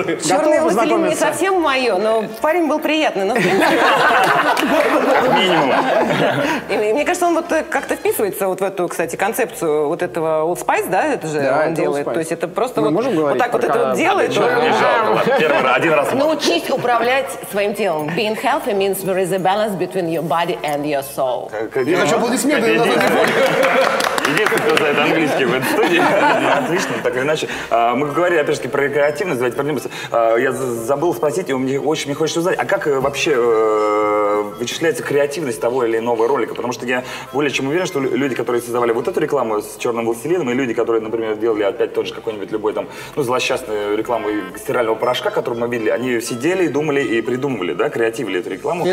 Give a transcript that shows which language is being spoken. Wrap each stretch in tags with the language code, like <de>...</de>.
<ru>Черный властелин не совсем мое, но парень был приятный. Ну, минимум. Да. И мне кажется, он вот как-то вписывается вот в эту, кстати, концепцию вот этого Old Spice, да, это же да, он это делает. То есть это просто вот, говорить, вот так вот это вот делает. Один раз. Научись управлять своим телом.</ru> <en>Being healthy means there is a balance between your body and your soul.</en> <ru>Я хочу аплодисменты на заднем фоне. Единственный, кто знает английский в этой студии. Отлично, так или иначе. Мы говорили, опять же, про креативность, давайте вернемся. Я забыл спросить, и мне очень не хочется узнать, а как вообще вычисляется креативность того или иного ролика? Потому что я более чем уверен, что люди, которые создавали вот эту рекламу с черным властелином, и люди, которые, например, делали опять тот же какой-нибудь любой там, ну, злосчастную рекламу стирального порошка, которую мы видели, они сидели, думали и придумывали, да, креативили эту рекламу.</ru>